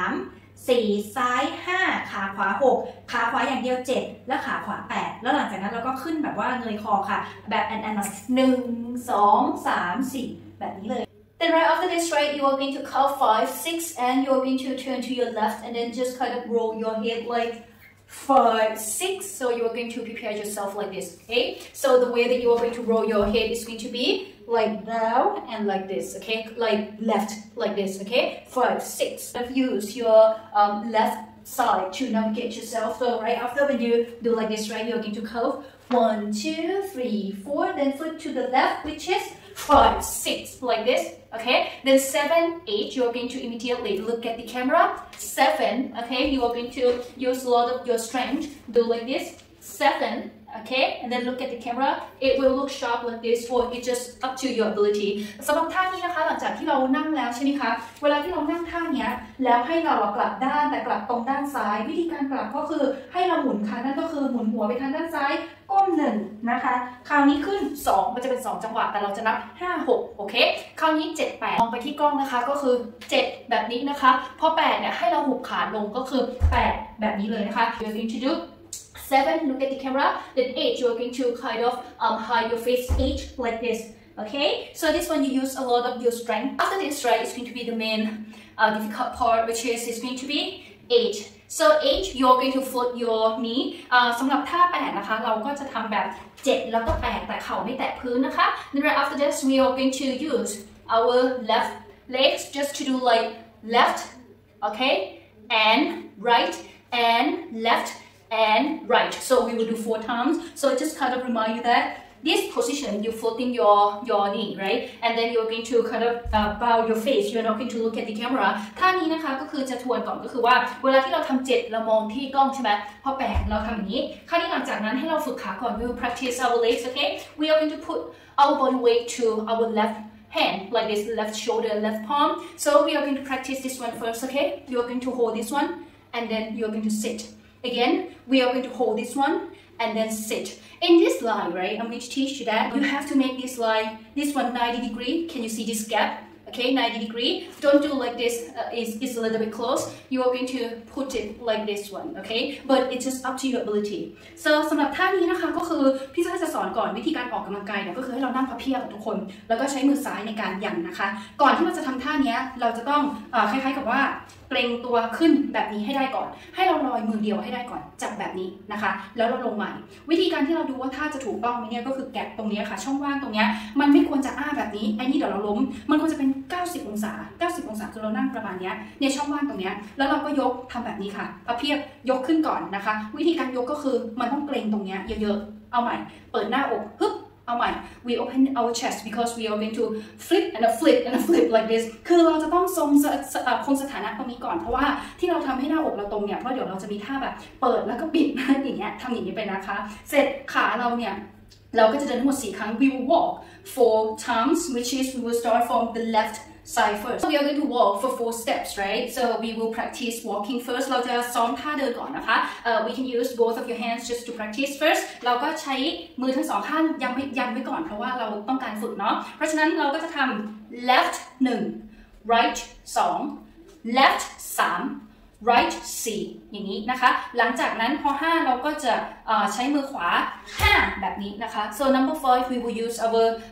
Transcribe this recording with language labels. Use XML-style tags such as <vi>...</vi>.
<th>34ซ้าย5ขาขวา6ขาขวาอย่างเดียว7และขาขวา8แล้วหลังจากนั้นเราก็ขึ้นแบบว่าเงยคอค่ะแบบ and 1 2 3 4แบบนี้เลย</th> <en>Then right after this right you are going to count 5 6 and you are going to turn to your left and then just kind of roll your head like 5 6 so you are going to prepare yourself like this okay so the way that you are going to roll your head is going to beLike now and like this, okay? Like left, like this, okay? 5, 6. Use your left side to navigate yourself. So right after when you do like this, right, you're going to curve. 1, 2, 3, 4. Then flip to the left, which is 5, 6, like this, okay? Then 7, 8. You're going to immediately look at the camera. 7, okay? You are going to use a lot of your strength. Do like this. 7. Okay, and then look at the camera. It will look sharp like this for it just up to your ability.</en> <th>สำหรับท่านี้นะคะหลังจากที่เรานั่งแล้วใช่ไหมคะเวลาที่เรานั่งท่าเนี้ยแล้วให้เรากลับด้านแต่กลับตรงด้านซ้ายวิธีการกลับก็คือให้เราหมุนขานั่นก็คือหมุนหัวไปทางด้านซ้ายก้มหนึ่งนะคะคราวนี้ขึ้น2มันจะเป็น2จังหวะแต่เราจะนับ5 6โอเคคราวนี้7 8มองไปที่กล้องนะคะก็คือ7แบบนี้นะคะพอ8เนี่ยให้เราหุบขาลงก็คือ8แบบนี้เลยนะคะ</th> <en>You need to do 7 look at the camera then 8 you're going to kind of hide your face 8 like this okay so this one you use a lot of your strength after this right it's going to be the main difficult part which is it's going to be 8 so 8 you're going to float your knee</en> <th>สำหรับท่า8นะคะเราก็จะทำแบบ7แล้วก็8แต่เข่าไม่แตะพื้นนะคะ</th> <en>then right after this we are going to use our left legs just to do like left okay and right and left and right so we will do 4 times so just kind of remind you that this position, you're folding your knee, right? And then you're going to kind of bow your face. You're not going to look at the camera.</en> <th>ท่านี้นะคะก็คือจะทวนก่อนก็คือว่าเวลาที่เราทำ7เรามองที่กล้องใช่ไหมพอ8เราทำอย่างนี้ท่านี้หลังจากนั้นให้เราฝึกขาก่อน</th> <en>We will practice our legs, okay? We are going to put our body weight to our left hand, like this, left shoulder, left palm. So we are going to practice this one first, okay? You are going to hold this one, and then you are going to sit. Again, we are going to hold this one. And then sit in this line, right? I'm going to teach you that you have to make this line, this one 90 degree. Can you see this gap? Okay, 90 degree. Don't do like this. It's a little bit close. You are going to put it like this one, okay? But it's just up to your ability.</en> <th>So สำหรับท่านี้นะคะก็คือพี่ซอยจะสอนก่อนวิธีการออกกำลังกายเนี่ยก็คือให้เรานั่งพับเพียบทุกคนแล้วก็ใช้มือซ้ายในการยันนะคะก่อนที่เราจะทำท่านี้เราจะต้อง คล้ายๆกับว่าเกรงตัวขึ้นแบบนี้ให้ได้ก่อนให้เราลอยมือเดียวให้ได้ก่อนจับแบบนี้นะคะแล้วเราลงใหม่วิธีการที่เราดูว่าท่าจะถูกต้องไหมเนี่ยก็คือแกะตรงนี้ค่ะช่องว่างตรงนี้มันไม่ควรจะอ้าแบบนี้ไอ้นี่เดี๋ยวเราล้มมันควรจะเป็น90องศา90องศาคือเรานั่งประมาณนี้เนี่ยช่องว่างตรงนี้แล้วเราก็ยกทำแบบนี้ค่ะพับเพียบยกขึ้นก่อนนะคะวิธีการยกก็คือมันต้องเกรงตรงนี้เยอะๆเอาใหม่เปิดหน้าอกฮึบเอาใหม่</th> <en>we open our chest because we are going to flip and a flip and a flip like this</en> <th>คือเราจะต้องทรงคงสถานะตรงนี้ก่อนเพราะว่าที่เราทำให้หน้าอกเราตรงเนี่ยเพราะเดี๋ยวเราจะมีท่าแบบเปิดแล้วก็ปิดอย่างเงี้ยทำอย่างนี้ไปนะคะเสร็จขาเราเนี่ยเราก็จะเดินทั้งหมด4ครั้ง</th> <en>we will walk 4 times which is we will start from the leftside first. So we are going to walk for 4 steps, right? So we will practice walking first.</en> <th>เราจะซ้อมท่าเดินก่อนนะคะ</th> <en>we can use both of your hands just to practice first.</en> <th>เราก็ใช้มือทั้งสองข้างยันไว้ก่อนเพราะว่าเราต้องการฝึกเนาะเพราะฉะนั้นเราก็จะทำ</th> <en>left 1 right 2 left 3 right 4</en> <th>อย่างนี้นะคะหลังจากนั้นพอ5เราก็จะใช้มือขวา5แบบนี้นะคะ</th> <en>so number 5 we will use our</en>